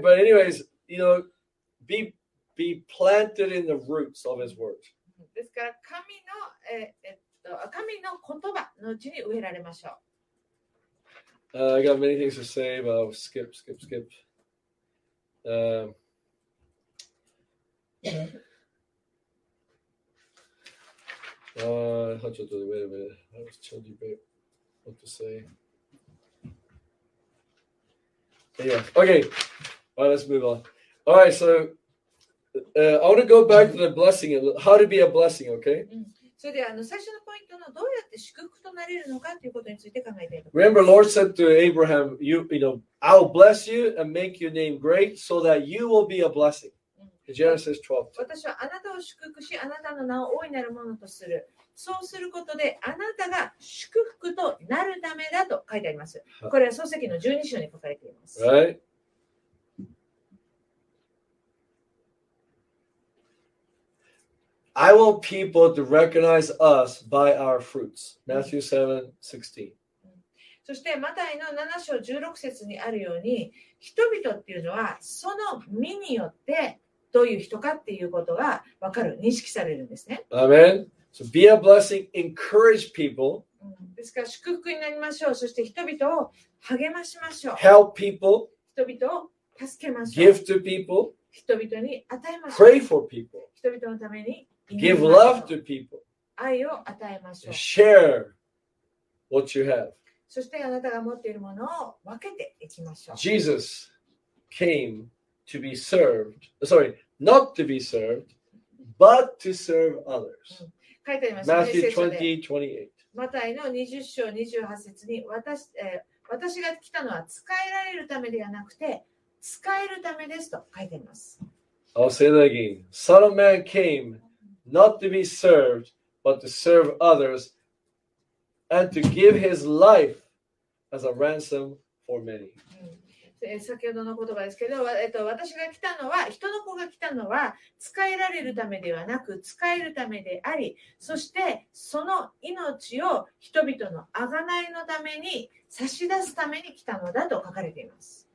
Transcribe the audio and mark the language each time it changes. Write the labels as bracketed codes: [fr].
[en] But anyways, you know, be planted in the roots of his word. [ja] ですから、神の、神の言葉のうちに植えられましょう。 [en] I got many things to say, but I'll skip. wait a minute. I was told you what to say. Anyway, okay. All right, let's move on. All right, so I want to go back to the blessing. How to be a blessing, okay? [ja] それでは最初のポイントのどうやって祝福となれるのかということについて考えています。 [en] Remember, Lord said to Abraham, I'll bless you and make your name great so that you will be a blessing. Genesis 12. [ja] 私はあなたを祝福し、あなたの名を大いなるものとする。そうすることで、あなたが祝福となるためだと書いてあります。これは創世記の12章に書かれています。 [en] Right? I want people to recognize us by our fruits. Matthew 7:16. [ja] そしてマタイの7章16節にあるように、人々っていうのはその実によってどういう人かっていうことが分かる、認識されるんですね。 [en] Amen. So be a blessing, encourage people. [ja] ですから祝福になりましょう。そして人々を励ましましょう。 [en] Help people. [ja] 人々を助けましょう。 [en] Give to people. [ja] 人々に与えましょう。 [en] Pray for people. [ja] 人々のために。 [en] Give love to people. [ja] 愛を与えましょう。 [en] Share what you have. [ja] そしてあなたが持っているものを分けていきましょう。 [en] Jesus came to be served. Sorry, not to be served, but to serve others. [ja] 書いてあります。 [en] Matthew 20:28. [ja] マタイの20章28節に私が来たのは使えられるためではなくて使えるためですと書いてあります。 [en] I'll say that again. Son of Man came. Not to be served, but to serve others, and to give his life as a ransom for many. [ja] 先ほどの言葉ですけど、私が来たのは、人の子が来たのは、使えられるためではなく、使えるためであり、そしてその命を人々の贖いのために差し出すために来たのだと書かれています。